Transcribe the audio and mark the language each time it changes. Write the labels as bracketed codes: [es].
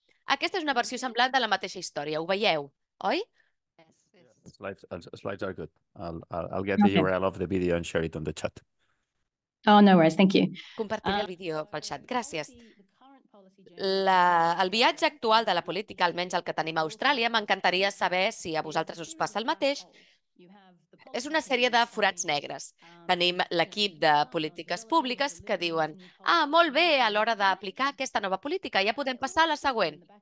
[ca] Aquesta és una versió semblant de la mateixa història, ho veieu, oi? [en] Slides are good. I'll get the URL of the video and share it on the chat. Oh, no worries, thank you. [ca] Compartiré el vídeo pel chat, gràcies. El viatge actual de la política, almenys el que tenim a Austràlia, m'encantaria saber si a vosaltres us passa el mateix. És una sèrie de forats negres. Tenim l'equip de polítiques públiques que diuen «Ah, molt bé, a l'hora d'aplicar aquesta nova política, ja podem passar a la següent».